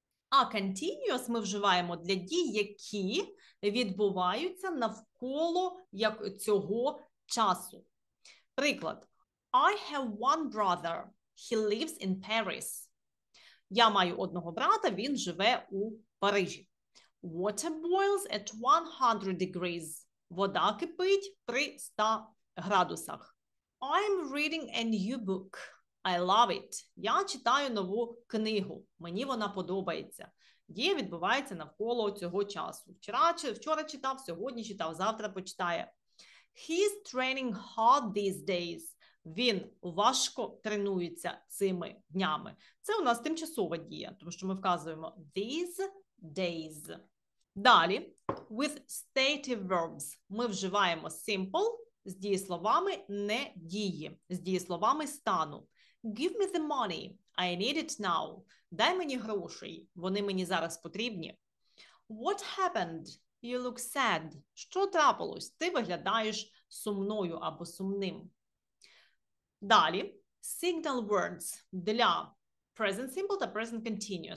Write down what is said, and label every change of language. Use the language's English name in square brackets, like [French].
[Ukrainian] А continuous ми вживаємо для дій, які відбуваються навколо як цього часу. [English] Приклад. I have one brother. He lives in Paris. [Ukrainian] Я маю одного брата, він живе у Парижі. [English] Water boils at 100 degrees. [Ukrainian] Вода кипить при 100 градусах. [English] I'm reading a new book. I love it. [Ukrainian] Я читаю нову книгу. Мені вона подобається. Дія відбувається навколо цього часу. Вчора читав, сьогодні читав, завтра почитає. [English] He's training hard these days. [Ukrainian] Він важко тренується цими днями. Це у нас тимчасова дія, тому що ми вказуємо [English] these days. [Ukrainian] Далі, [English] with stative verbs, [Ukrainian] ми вживаємо simple з дієсловами не дії, з дієсловами стану. [English] Give me the money, I need it now. [Ukrainian] Дай мені грошей, вони мені зараз потрібні. [English] What happened? You look sad. [Ukrainian] Що трапилось? Ти виглядаєш сумною або сумним. Далі, signal words для present simple та present continuous.